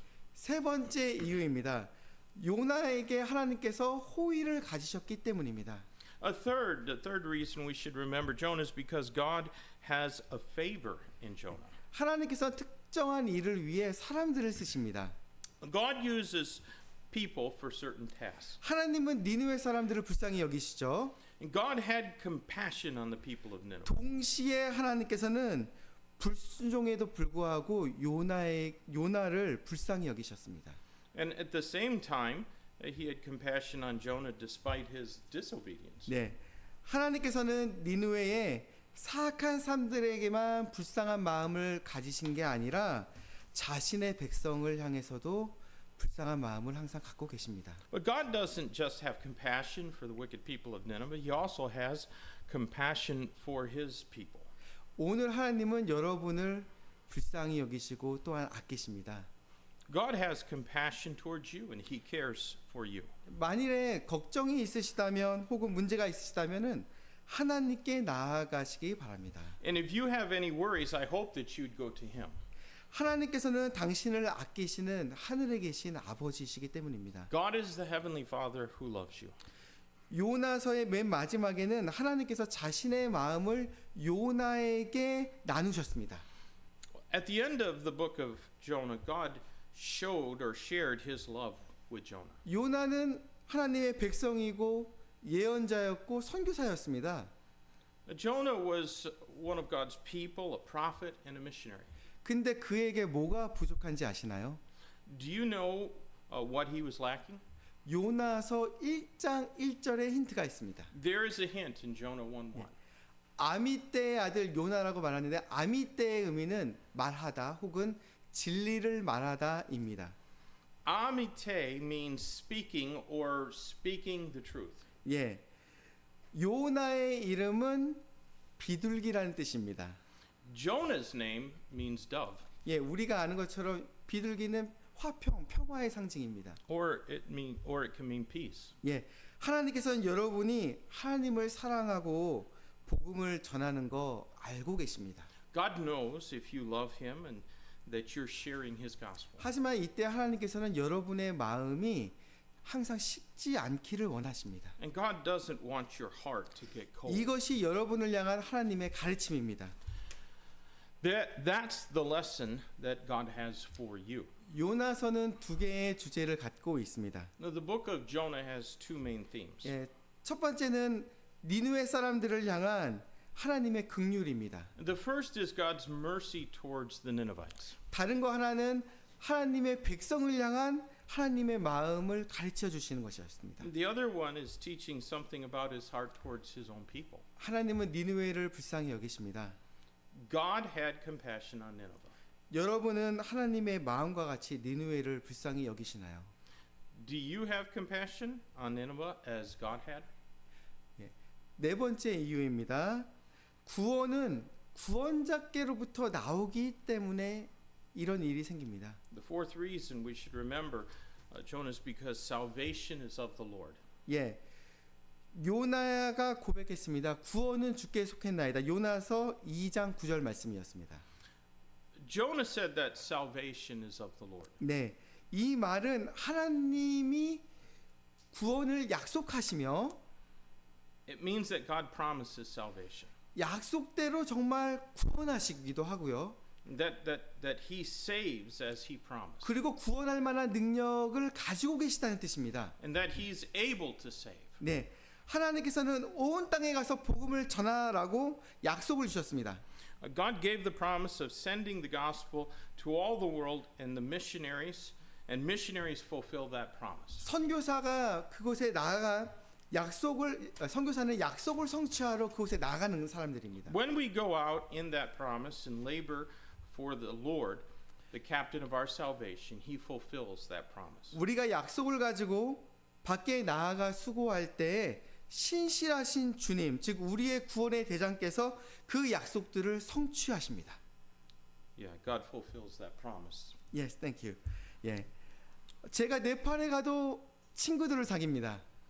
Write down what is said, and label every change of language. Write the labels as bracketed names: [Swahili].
[Korean] 예, 세 번째 이유입니다. 요나에게 하나님께서 호의를 가지셨기 때문입니다. [English] The third reason we should remember Jonah is because God has a favor in Jonah. [Korean] 하나님께서 특정한 일을 위해 사람들을 쓰십니다. [English] God uses people for certain tasks. [Korean] 하나님은 니느웨 사람들을 불쌍히 여기시죠. [English] And God had compassion on the people of Nineveh. [Korean] 동시에 하나님께서는 불순종에도 불구하고 요나를 불쌍히 여기셨습니다. [English] And at the same time, he had compassion on Jonah despite his disobedience. [Korean] 네, 하나님께서는 니느웨의 사악한 사람들에게만 불쌍한 마음을 가지신 게 아니라 자신의 백성을 향해서도 불쌍한 마음을 항상 갖고 계십니다. [English] But God doesn't just have compassion for the wicked people of Nineveh. He also has compassion for His people. [Korean] 오늘 하나님은 여러분을 불쌍히 여기시고 또한 아끼십니다. [English] God has compassion towards you, and He cares for you. [Korean] 만일에 걱정이 있으시다면, 혹은 문제가 있으시다면은 하나님께 나아가시기 바랍니다. [English] And if you have any worries, I hope that you'd go to Him. [Korean] 하나님께서는 당신을 아끼시는 하늘에 계신 아버지시기 때문입니다. [English] God is the heavenly Father who loves you. [Korean] 요나서의 맨 마지막에는 하나님께서 자신의 마음을 요나에게 나누셨습니다. [English] At the end of the book of Jonah, God showed or shared his love with Jonah. [Korean] 요나는 하나님의 백성이고 예언자였고 선교사였습니다. [English] Jonah was one of God's people, a prophet and a missionary. [Korean] 근데 그에게 뭐가 부족한지 아시나요? [English] Do you know what he was lacking? [Korean] 요나서 1장 1절에 힌트가 있습니다. [English] There is a hint in Jonah 1:1. [Korean] 아미떼의 아들 요나라고 말하는데 아미떼의 의미는 말하다 혹은 진리를 말하다입니다. [English] Amite means speaking or speaking the truth. [Korean] 예, 요나의 이름은 비둘기라는 뜻입니다. [English] Jonah's name means dove. [Korean] 예, 우리가 아는 것처럼 비둘기는 화평, 평화의 상징입니다. [English] Or it can mean peace. [Korean] 예, 하나님께서는 여러분이 하나님을 사랑하고 복음을 전하는 거 알고 계십니다. [English] God knows if you love Him and that you're sharing His gospel. [Korean] 하지만 이때 하나님께서는 여러분의 마음이 항상 식지 않기를 원하십니다. [English] And God doesn't want your heart to get cold. [Korean] 이것이 여러분을 향한 하나님의 가르침입니다. [English] That's the lesson that God has for you. [Korean] 요나서는 두 개의 주제를 갖고 있습니다. [English] Now the book of Jonah has two main themes. [Korean] 예, 첫 번째는 니느웨 사람들을 향한 하나님의 긍휼입니다. [English] The first is God's mercy towards the Ninevites. [Korean] 다른 거 하나는 하나님의 백성을 향한 하나님의 마음을 가르쳐 주시는 것이었습니다. [English] The other one is teaching something about His heart towards His own people. [Korean] 하나님은 니느웨를 불쌍히 여기십니다. [English] God had compassion on Nineveh. [Korean] 여러분은 하나님의 마음과 같이 니느웨를 불쌍히 여기시나요? [English] Do you have compassion on Nineveh as God had? [Korean] 예. 네 번째 이유입니다. 구원은 구원자께로부터 나오기 때문에 이런 일이 생깁니다. [English] The fourth reason we should remember, Jonah, is because salvation is of the Lord. [Korean] 예. 요나가 고백했습니다. 구원은 주께 속했나이다. 요나서 2장 9절 말씀이었습니다. [English] Jonah said that salvation is of the Lord. [Korean] 네. 이 말은 하나님이 구원을 약속하시며 [English] It means that God promises salvation. [Korean] 약속대로 정말 구원하시기도 하고요. [English] That he saves as he promised. [Korean] 그리고 구원할 만한 능력을 가지고 계시다는 뜻입니다. [English] And that he's able to save. [Korean] 네. 하나님께서는 온 땅에 가서 복음을 전하라고 약속을 주셨습니다. [English] God gave the promise of sending the gospel to all the world and the missionaries and missionaries fulfill that promise. [Korean] 선교사가 그곳에 나아가 약속을 선교사는 약속을 성취하러 그곳에 나가는 사람들입니다. [English] When we go out in that promise and labor for the Lord, the captain of our salvation, he fulfills that promise. [Korean] 우리가 약속을 가지고 밖에 나아가 수고할 때 신실하신 주님, 즉 우리의 구원의 대장께서 그 약속들을 성취하십니다. [English] Yeah, God fulfills that promise. Yes, thank you. [Korean] 예, 제가 네팔에 가도 친구들을 사귑니다.